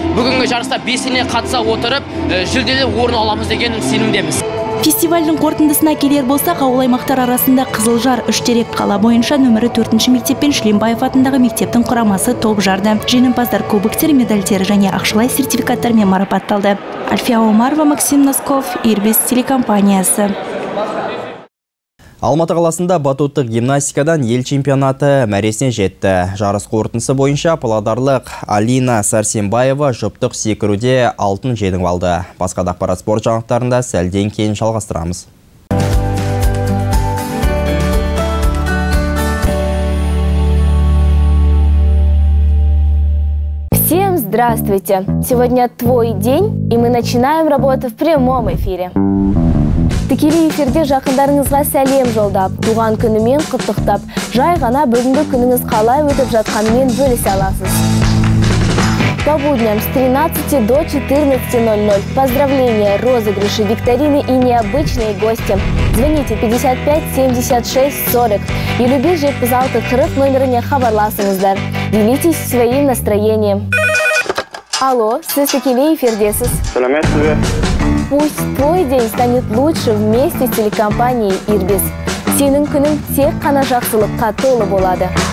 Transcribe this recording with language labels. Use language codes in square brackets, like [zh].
[kk] Бүгінгі жарыста белсене қатыса отырып, жүлделі орын аламыз деген сенімдеміз. Фестивальдің қорытындысына келер болсақ, ауыл аймақтар арасында Қызылжар, Үштерек қала бойынша нөмірі 4-ші мектеп пен Шлембаев атындағы мектептің құрамасы топ жарды. Жеңімпаздар кубоктер, медальдері және ақшалай сертификаттармен марапатталды. Альфия Омарова, Максим Носков, Ирбис телекомпаниясы. Алматы қаласында батуттық гимнастикадан ел чемпионаты мәресіне жетті. Жарыс қорытындысы бойынша павлодарлық Алина Сарсенбаева жұптық секіруде алтын жеңіп алды. Басқа да ақпарат спорт жаңалықтарында сәлден кейін жалғастырамыз. [ru] Всем здравствуйте! Сегодня твой день, и мы начинаем работу в прямом эфире. [kk] Тікелей эфирде жақындарыңызға сәлем жолдап, туған күнімен құттықтап, жай ғана бүгінгі күніңіз қалай өтіп жатқанымен бөлісе аласыз. [ru] По будням с 13 до 14.00. Поздравления, розыгрыши, викторины и необычные гости. Звоните 55 76 40. И любите же пожалуйста, [kk] хрыф номерыне хабарласыңыздар. [ru] Делитесь своим настроением. [kk] Алло, сіз тікелей эфирдесіз. Сәлеметсіз. [ru] Пусть твой день станет лучше вместе с телекомпанией «Ирбис». [kk] Сенің күнің тек қана жақсылыққа толы болады.